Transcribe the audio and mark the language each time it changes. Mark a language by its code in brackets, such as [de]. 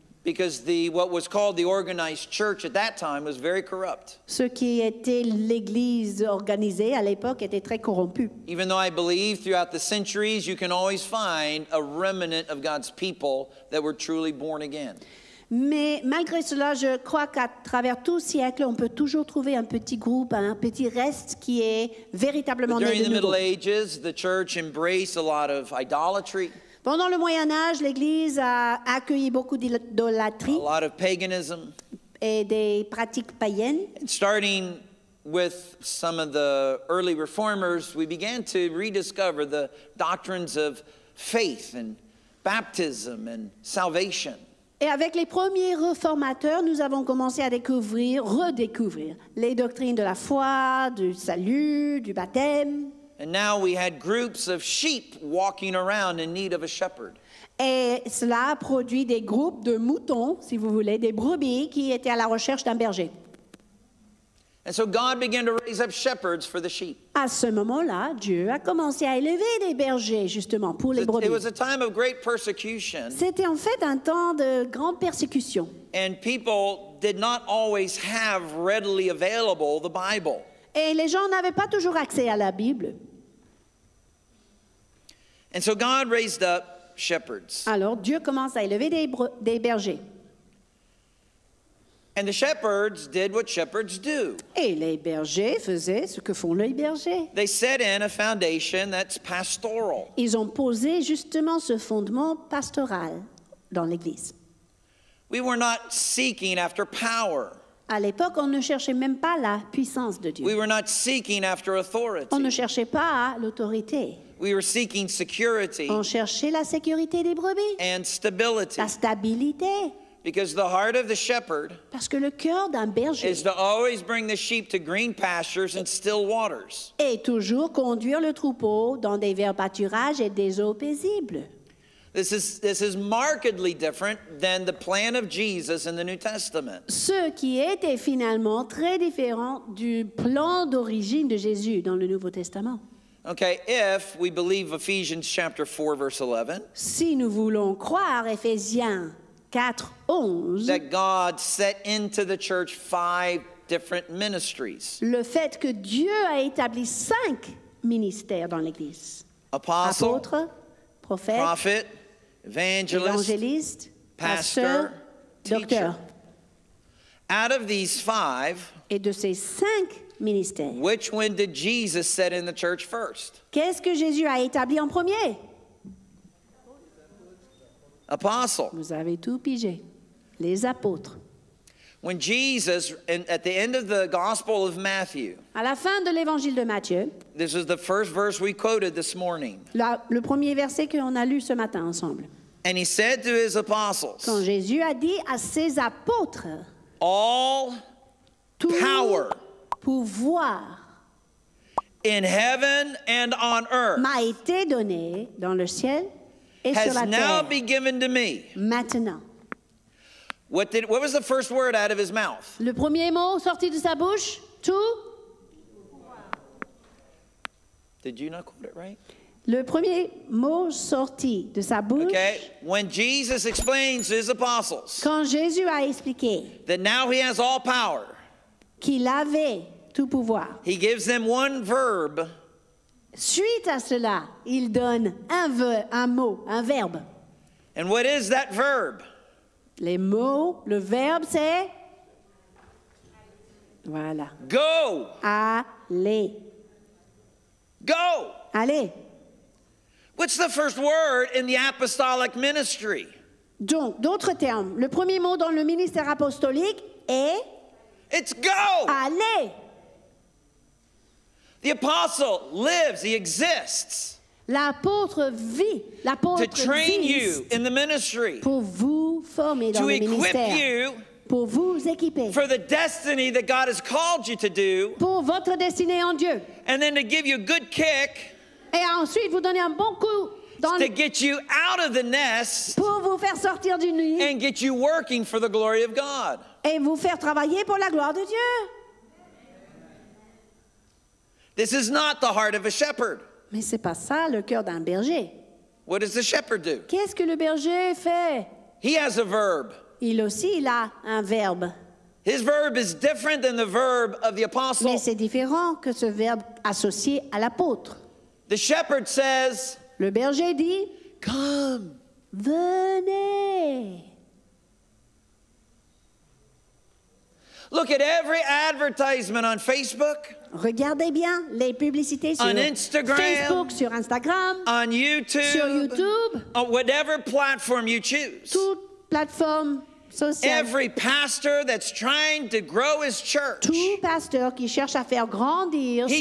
[en] Because the what was called the organized church at that time was very corrupt. [fr] Ce qui était l'église organisée à l'époque était très corrompu. [en] Even though I believe throughout the centuries you can always find a remnant of God's people that were truly born again. [fr] Mais malgré cela, je crois qu'à travers tout siècle, on peut toujours trouver un petit groupe, un petit reste qui est véritablement né de nouveau. [en] During the Middle Ages, the church embraced a lot of idolatry. [fr] Pendant le Moyen Âge, l'Église a accueilli beaucoup d'idolâtrie. [en] A lot of paganism. [fr] Et des pratiques païennes. [en] And starting with some of the early reformers, we began to rediscover the doctrines of faith and baptism and salvation. [fr] Et avec les premiers réformateurs, nous avons commencé à découvrir, redécouvrir les doctrines de la foi, du salut, du baptême. [en] And now we had groups of sheep walking around in need of a shepherd. [fr] Et cela a produit des groupes de moutons, si vous voulez, des brebis qui étaient à la recherche d'un berger. [en] And so God began to raise up shepherds for the sheep. [fr] À ce moment-là, Dieu a commencé à élever des bergers justement pour les brebis. [en] It was a time of great persecution. [fr] C'était en fait un temps de grande persécution. [en] And people did not always have readily available the Bible. [fr] Et les gens n'avaient pas toujours accès à la Bible. [en] And so God raised up shepherds. [fr] Alors Dieu commence à élever des bergers. [en] And the shepherds did what shepherds do. [fr] Et les bergers faisaient ce que font les bergers. [en] They set in a foundation that's pastoral. [fr] Ils ont posé justement ce fondement pastoral dans l'église. [en] We were not seeking after power. [fr] À l'époque, on ne cherchait même pas la puissance de Dieu. [en] We were not seeking after authority. [fr] On ne cherchait pas l'autorité. [en] We were seeking security. [fr] On cherchait la sécurité des brebis. [en] And stability. [fr] La stabilité. [en] Because the heart of the shepherd. [fr] Parce que le cœur d'un berger. [en] Is to always bring the sheep to green pastures and still waters. [fr] Et toujours conduire le troupeau dans des verts pâturages et des eaux paisibles. [en] This is markedly different than the plan of Jesus in the New Testament. [fr] Ce qui était finalement très différent du plan d'origine de Jésus dans le Nouveau Testament. [en] Okay, if we believe Ephesians chapter 4 verse 11. [fr] Si nous voulons croire Éphésiens 4, 11. [en] That God set into the church five different ministries. [fr] Le fait que Dieu a établi cinq ministères dans l'église. [en] Apostle. [fr] Prophète. [en] Prophet. Evangelist, pastor, [fr] docteur. [en] Out of these five, [fr] et de ces cinq ministères, [en] which one did Jesus set in the church first? [fr] Qu'est-ce que Jésus a établi en premier? [en] Apostle. [fr] Vous avez tout pigé. Les apôtres. [en] When Jesus, at the end of the Gospel of Matthew, [fr] à la fin de l'Évangile de Matthieu, [en] this is the first verse we quoted this morning. [fr] Le premier verset que on a lu ce matin ensemble. [en] And he said to his apostles, [fr] quand Jésus a dit à ses apôtres, [en] all power, [fr] pouvoir, [en] in heaven and on earth, [fr] m'a été donné dans le ciel et sur la terre, [en] has now been given to me. [fr] Maintenant. [en] What was the first word out of his mouth? [fr] Le premier mot sorti de sa bouche, tout. [en] Did you not quote it right? [fr] Le premier mot sorti de sa bouche. [en] Okay. When Jesus explains to his apostles. [fr] Quand Jésus a expliqué. [en] That now he has all power. [fr] Qu'il avait tout pouvoir. [en] He gives them one verb. [fr] Suite à cela, il donne un verbe. [en] And what is that verb? [fr] Les mots, le verbe c'est voilà. [en] Go. [fr] Aller. [en] Go. [fr] Aller. [en] What's the first word in the apostolic ministry? [fr] Donc, d'autres termes, le premier mot dans le ministère apostolique est [en] it's go. [fr] Aller. [en] The apostle lives, he exists. [fr] L'apôtre vit, l'apôtre [en] to train you in the ministry. [fr] Pour vous former dans [en] to [fr] le [en] equip [fr] ministère. [en] You [fr] pour vous équiper. [en] For the destiny that God has called you to do. [fr] Pour votre destinée en Dieu. [en] And then to give you a good kick. [fr] Et ensuite vous donner un bon coup dans [en] to get you out of the nest. [fr] Pour vous faire sortir du nid. [en] And get you working for the glory of God. [fr] Et vous faire travailler pour la gloire de Dieu. [en] This is not the heart of a shepherd. [fr] Mais c'est pas ça le cœur d'un berger. [en] What does the shepherd do? [fr] Qu'est-ce que le berger fait? [en] He has a verb. [fr] Il aussi il a un verbe. [en] His verb is different than the verb of the apostle. [fr] Mais c'est différent que ce verbe associé à l'apôtre. [en] The shepherd says. [fr] Le berger dit. [en] Come. [fr] Venez. [en] Look at every advertisement on Facebook. [fr] Regardez bien les publicités sur Facebook, sur Instagram, [en] on YouTube, [fr] sur YouTube, [en] on whatever platform you choose. [fr] Toute plateforme sociale. [en] Every pastor that's trying to grow his church. [fr] Tout pasteur qui cherche à faire grandir son église.